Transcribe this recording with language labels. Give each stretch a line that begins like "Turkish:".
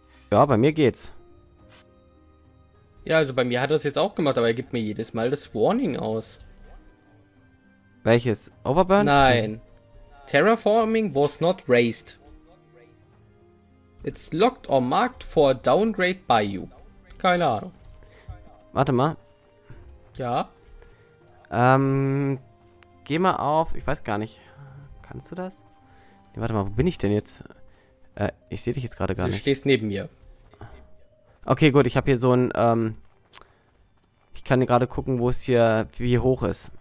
German: Ja, bei mir geht's. Ja, also bei mir hat er es jetzt auch gemacht, aber er gibt mir jedes Mal das Warning aus. Welches? Overburn? Nein.
English: Terraforming was not raised. It's locked or marked for downgrade by you.
German: Keine Ahnung. Warte mal. Ja? Geh mal auf, ich weiß gar nicht. Kannst du das? Nee, warte mal, wo bin ich denn jetzt? Ich sehe dich jetzt gerade gar nicht. Du stehst neben mir. Okay, gut, ich habe hier so ein, ich kann gerade gucken, wo es hier, wie hoch ist.